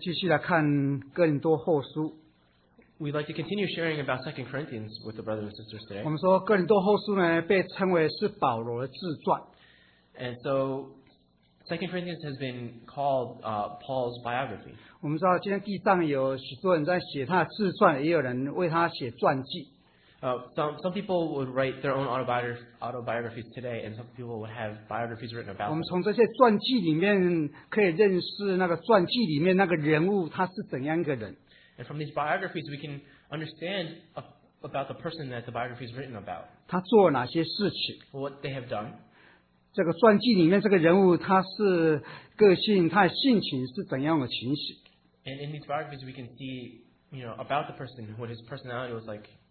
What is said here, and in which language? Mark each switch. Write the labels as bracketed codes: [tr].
[zh] 那早晨呢，愿意和弟兄姊妹继续来看哥林多后书。 [en] We'd like to continue sharing about 2 Corinthians with the brothers and sisters today. [zh] 我们说哥林多后书呢，被称为是保罗的自传。 [en] And so 2 Corinthians has been called Paul's biography. [zh] 我们知道今天地上有许多人在写他的自传，也有人为他写传记。 [en] Some people would write their own autobiographies today, and some people would have biographies written about them. [zh] 我们从这些传记里面可以认识那个传记里面那个人物他是怎样一个人。 [en] And from these biographies, we can understand about the person that the biography is written about. [zh] 他做了哪些事情。 [en] What they have done. [zh] 这个传记里面这个人物他是个性，他性情是怎样的情形。 [en] And in these biographies, we can see, you know, about the person, what his personality was like.